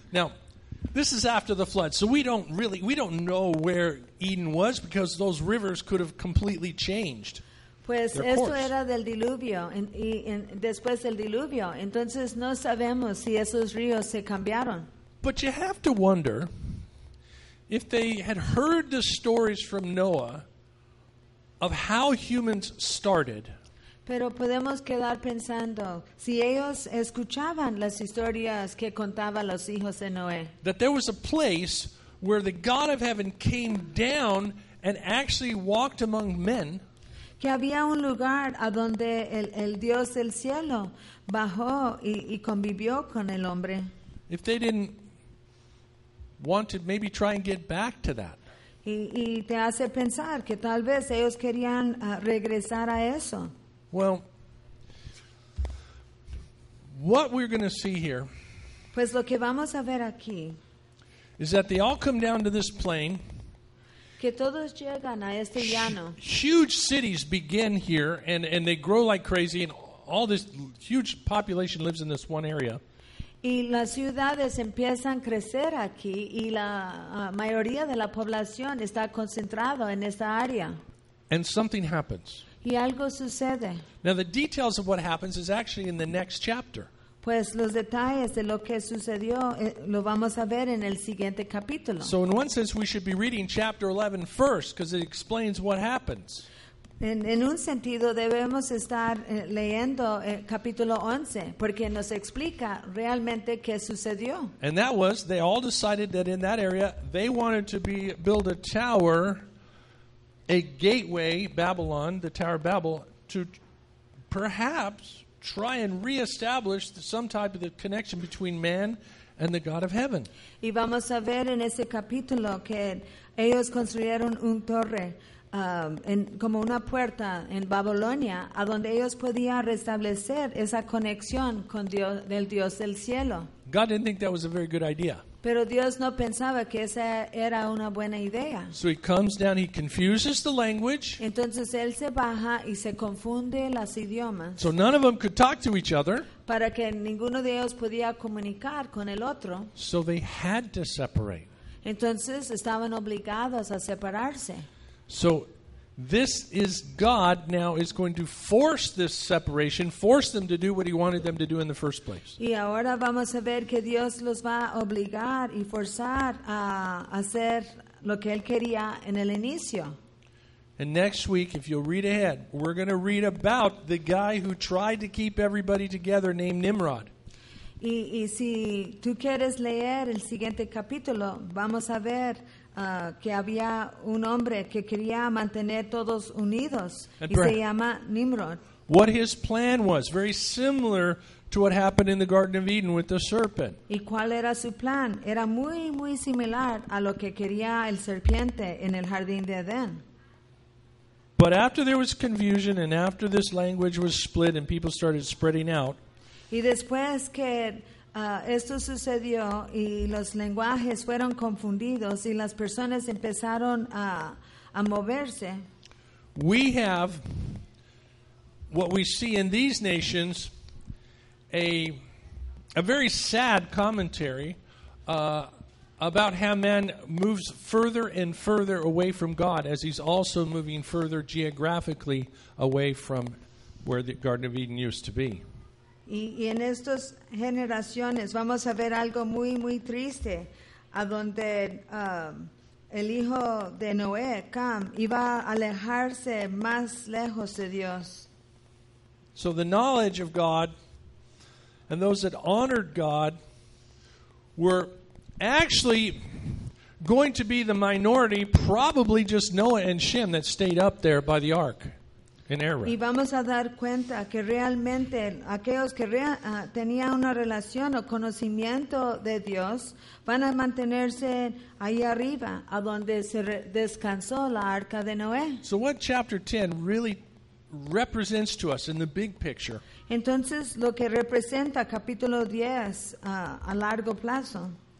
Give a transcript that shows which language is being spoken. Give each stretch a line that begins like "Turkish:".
English: Now, this is after the flood, so we don't know where Eden was because those rivers could have completely changed.
Spanish: Pues esto era del diluvio, después del diluvio, entonces no sabemos si esos ríos se cambiaron.
English: But you have to wonder if they had heard the stories from Noah of how humans started.
Spanish: Pero podemos quedar pensando si ellos escuchaban las historias que contaban los hijos de Noé.
English: That there was a place where the God of heaven came down and actually walked among men.
Spanish: Que había un lugar a donde el Dios del cielo bajó y convivió con el hombre.
English: If they didn't want to maybe try and get back to that.
Spanish: Y te hace pensar que tal vez ellos querían regresar a eso.
English: Well, what we're going to see here,
Spanish: pues lo que vamos a ver aquí,
English: is that they all come down to this plain.
Spanish: Que todos llegan a este llano.
English: Huge cities begin here, and they grow like crazy, and all this huge population lives in this one area.
Spanish: Y las ciudades empiezan a crecer aquí, y la mayoría de la población está concentrado en esta área.
English: And something happens.
Spanish: Y algo sucede.
English: Now the details of what happens is actually in the next chapter.
Spanish: Pues los detalles de lo que sucedió lo vamos a ver en el siguiente capítulo.
English: So in one sense we should be reading chapter 11 first because it explains what happens.
Spanish: En un sentido debemos estar leyendo capítulo 11 porque nos explica realmente qué sucedió.
English: And that was they all decided that in that area they wanted to build a tower, a gateway, Babylon, the Tower of Babel, to perhaps try and reestablish some type of the connection between man and the God of heaven.
Spanish: Y vamos a ver en ese capítulo que ellos construyeron un torre en como una puerta en Babilonia a donde ellos podían restablecer esa conexión con Dios del Dios del cielo.
English: God didn't think that was a very good idea.
Spanish: Pero Dios no pensaba que esa era una buena idea.
English: So he comes down, he confuses the language.
Spanish: Entonces él se baja y se confunde las idiomas.
English: So none of them could talk to each other.
Spanish: Para que ninguno de ellos podía comunicar con el otro.
English: So they had to separate.
Spanish: Entonces estaban obligados a separarse.
English: So this is God now is going to force this separation, force them to do what he wanted them to do in the first place.
Spanish: Y ahora vamos a ver que Dios los va a obligar y forzar a hacer lo que él quería en el inicio.
English: And next week, if you'll read ahead, we're going to read about the guy who tried to keep everybody together named Nimrod.
Spanish: Y si tú quieres leer el siguiente capítulo, vamos a ver que había un hombre que quería mantener todos unidos y se llama Nimrod.
English: What his plan was, very similar to what happened in the Garden of Eden with the serpent.
Spanish: ¿Y cuál era su plan? Era muy, muy similar a lo que quería el serpiente en el jardín de Edén.
English: But after there was confusion and after this language was split and people started spreading out,
Spanish: y después que esto sucedió y los lenguajes fueron confundidos y las personas empezaron a moverse.
English: We have what we see in these nations a very sad commentary about how man moves further and further away from God as he's also moving further geographically away from where the Garden of Eden used to be.
Spanish: Y en estas generaciones vamos a ver algo muy, muy triste a donde el hijo de Noé, Cam, iba a alejarse más lejos de Dios.
English: So the knowledge of God and those that honored God were actually going to be the minority, probably just Noah and Shem that stayed up there by the ark.
Spanish: Y vamos a dar cuenta que realmente aquellos que tenían una relación o conocimiento de Dios van a mantenerse ahí arriba, a donde se descansó la arca de Noé.
English: So what chapter 10 really represents to us in the big picture?
Spanish: Entonces lo que representa capítulo 10 a largo plazo